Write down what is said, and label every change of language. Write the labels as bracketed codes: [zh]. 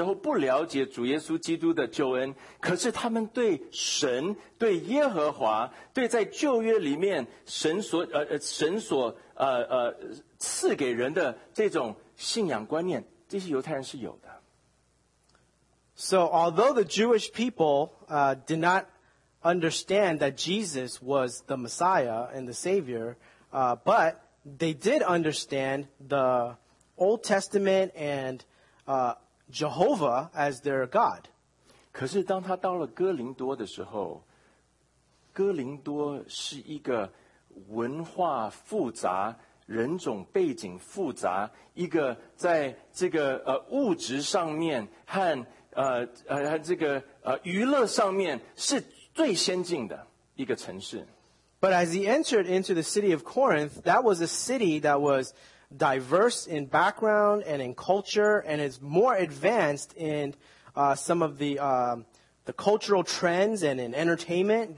[zh] 犹太人虽然不明白那时候不了解主耶稣基督的救恩, 可是他们对神、对耶和华、对在旧约里面神所赐给人的这种信仰观念, 这些犹太人是有的。 [en] So although the Jewish people did not understand that Jesus was the Messiah and the Savior, but they did understand the Old Testament and Jehovah as their God. [zh] 可是当他到了哥林多的时候, 哥林多是一个文化复杂, 人种背景复杂, 一个在这个, 物质上面, 和这个, 娱乐上面, 最先进的一个城市。 [en] But as he entered into the city of Corinth, that was a city that was diverse in background and in culture, and is more advanced in some of the cultural trends and in entertainment.